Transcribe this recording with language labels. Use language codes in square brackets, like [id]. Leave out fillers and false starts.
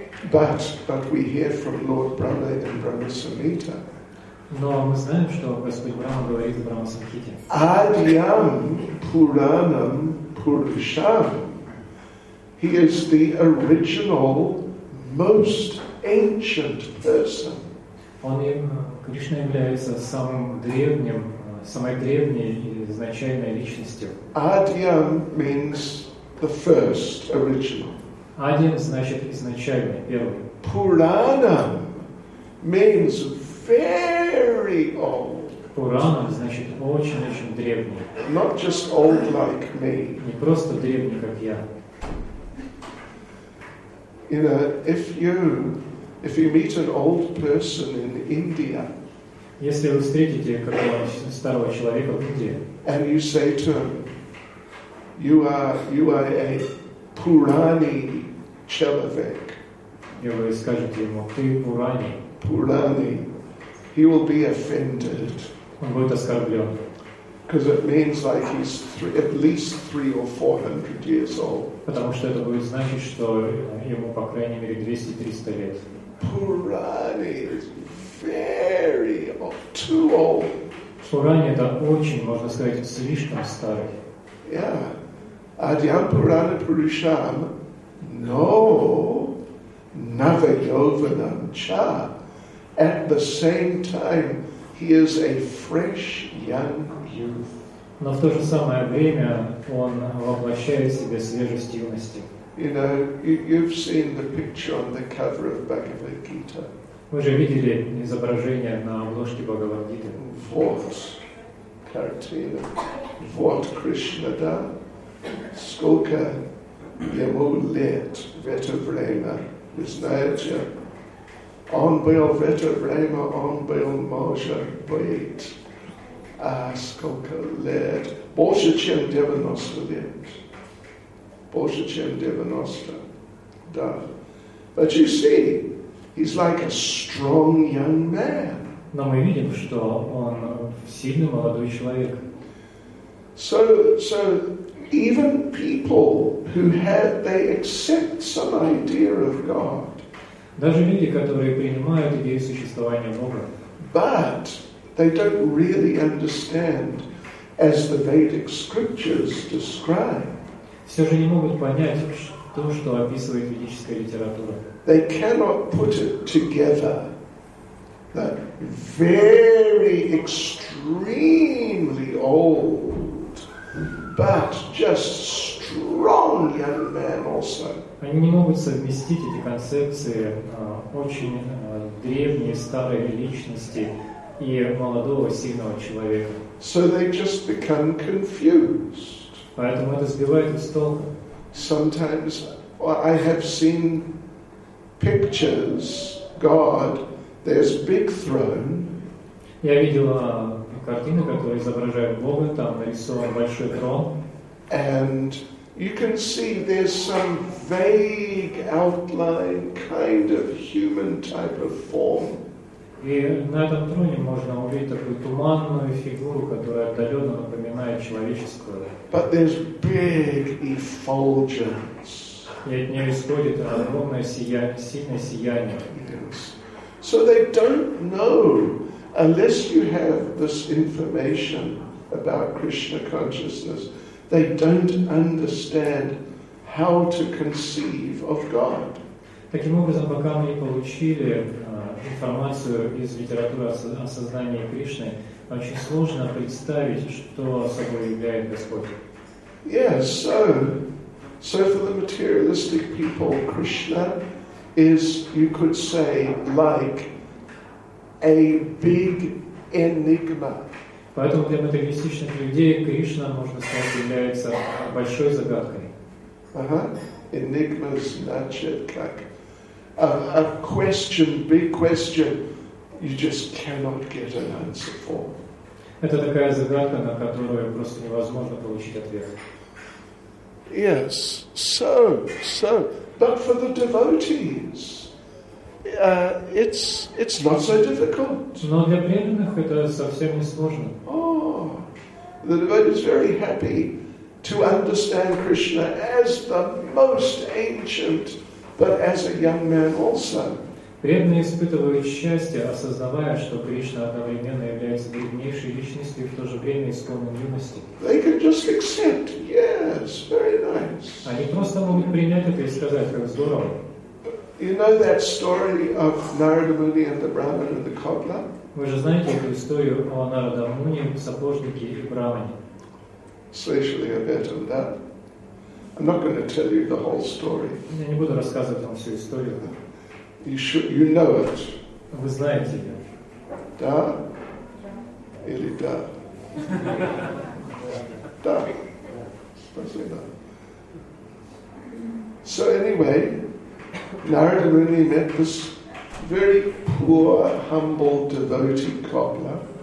[en] But we hear from Lord Brahma and Brahma Samhita. [ru] Но мы знаем, что Господь Брама говорит в Брама Самхите. [sa] Адьям Пуранам Пуршам. [en] He is the original, most ancient person. [ru] Кришна является самым древним, самой древней и изначальной личностью. [en] Adyam means the first, original. [ru] Adyam значит изначальный, первый. [en] Puranam means very old. [ru] Puranam значит очень-очень древний. [en] Not just old like me. [ru] Не просто древний, как я. [en] You know, if you meet an old person in India, [ru] если вы встретите какого-то старого человека в Индии, [en] and you say to him, you are a Purani человек, [ru] и вы скажете ему, ты Пурани. [en] Пурани. He will be offended. [ru] Он будет оскорблен. [en] Because it means like he's at least 300 or 400 years old. [ru] Потому что это будет значить, что ему по крайней мере 200-300 лет. [en] Пурани. Very old, too old. [ru] Пурани это очень, можно сказать, слишком старый. [sa] Yeah. Адьям Пурана Пурушам. No. Навайовнам ча. [en] At the same time, he is a fresh young youth. [ru] Но в то же самое время он воплощает в себе свежесть юности. [en] You know, you've seen the picture on the cover of Bhagavad Gita. [ru] Вы же видели изображение на обложке Бхагавад-гиты. Вот картина. Вот Кришна, да? Сколько ему лет в это время? Вы знаете? Он был в это время, он был, может быть, сколько лет? Больше, чем 90 лет. Больше, чем 90. Да. [en] But you see, he's like a strong young man. [ru] Но мы видим, что он сильный молодой человек. [en] So even people who had they accept some idea of God. [ru] Даже люди, которые принимают идею существования Бога. [en] But they don't really understand as the Vedic scriptures describe. [ru] Все же не могут понять то, что описывает ведическая литература. [en] They cannot put it together. That very extremely old, but just strong young man also. [ru] Они не могут совместить эти концепции очень древней старой личности и молодого сильного человека. [en] So they just become confused. [ru] Поэтому это сбивает их с толку. [en] Sometimes I have seen pictures God. There's big throne. [ru] Я видел картины, которые изображают Бога, там нарисован большой трон. [en] And you can see there's some vague outline kind of human type of form. [ru] И на этом троне можно увидеть такую туманную фигуру, которая отдаленно напоминает человеческую. [en] But there's big effulgence. [ru] И от нее исходит огромное сильное сияние. [en] Yes. So they don't know unless you have this information about Krishna consciousness. They don't understand how to conceive of God. [ru] Таким образом, пока мы не получили информацию из литературы о сознании Кришны, очень сложно представить, что собой являет Господь. [en] Yes, so for the materialistic people, Krishna is, you could say, like a big enigma. [ru] Поэтому для материалистичных людей Кришна, можно сказать, является большой загадкой. [en] Uh-huh. Enigma [ru] значит как [en] a question, big question, you just cannot get an answer for. [ru] Это такая загадка, на которую просто невозможно получить ответ. [en] Yes, so. But for the devotees, it's not so difficult. [ru] Но для преданных это совсем не сложно. [en] Oh, the devotee is very happy to understand Krishna as the most ancient, but as a young man also. [ru] Преданные испытывают счастье, осознавая, что Кришна одновременно является древнейшей личностью и в то же время исконной юности. [en] They can just accept, yes, very nice. [ru] Они просто могут принять это и сказать, как здорово. [en] You know that story of Narada Muni and the Brahman and the Cobbler? [ru] Вы же знаете эту историю о Нарада Муни, сапожнике и Брамане? Слышали об этом, да? [en] I'm not going to tell you the whole story. [ru] Я не буду рассказывать вам всю историю. [en] You know it. [ru] Вы знаете. Да? Или да? Да. Спасибо. [en] So anyway, Narada Muni met this very poor, humble, devoted cobbler.